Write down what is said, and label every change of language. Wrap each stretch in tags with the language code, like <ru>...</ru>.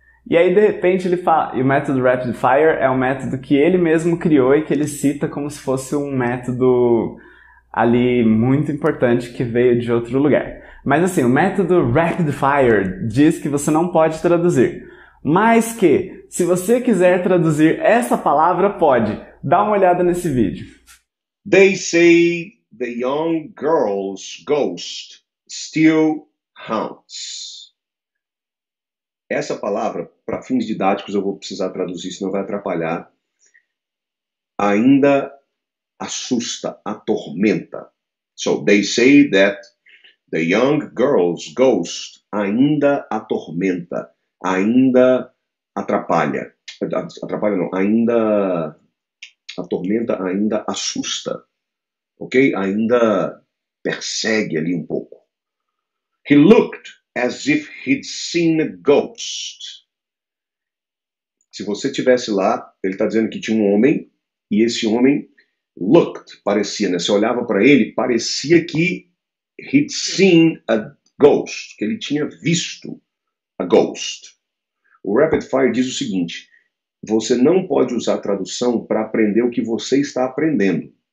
<pt>E aí, de repente, ele fala... E o método Rapid Fire é um método que ele mesmo criou e que ele cita como se fosse um método ali muito importante que veio de outro lugar. Mas assim, o método Rapid Fire diz que você não pode traduzir. Mas que, se você quiser traduzir essa palavra, pode. Dá uma olhada nesse vídeo.</pt> <en>They say the young girl's ghost still haunts.</en> <pt>Essa palavra, para fins didáticos, eu vou precisar traduzir, senão vai atrapalhar. Ainda assusta, atormenta.</pt> <en>So, they say that the young girl's ghost</en> <pt>ainda atormenta. Ainda atrapalha. Atrapalha não. Ainda atormenta, ainda assusta. Ok? Ainda persegue ali um pouco.</pt> <en>He looked as if he'd seen a ghost.</en> <pt>Se você estivesse lá, ele está dizendo que tinha um homem, e esse homem looked, parecia, né? Você olhava para ele, parecia que</pt> <en>he'd seen a ghost,</en> <pt>que ele tinha visto a ghost. O Rapid Fire diz o seguinte: você não pode usar a tradução para aprender o que você está aprendendo.</pt>